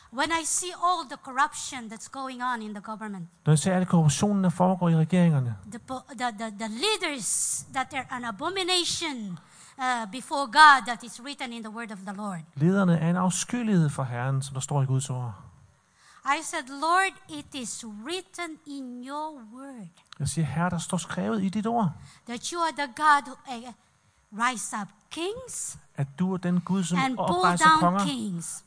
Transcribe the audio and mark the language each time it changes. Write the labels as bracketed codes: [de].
[en] When I see all the corruption that's going on in the government. [da] Når jeg ser alle korruptionen, der foregår i regeringerne. [en] The leaders that are an abomination. Before God that is written in the word of the Lord. [da] Lederne er en afskyelighed for Herren, som der står i Guds ord. [en] I said, Lord, it is written in your word. [da] Jeg siger, Herre, der står skrevet i dit ord. [en] That you are the God who rise up kings. [da] At du er den Gud, som oprejser konger kings.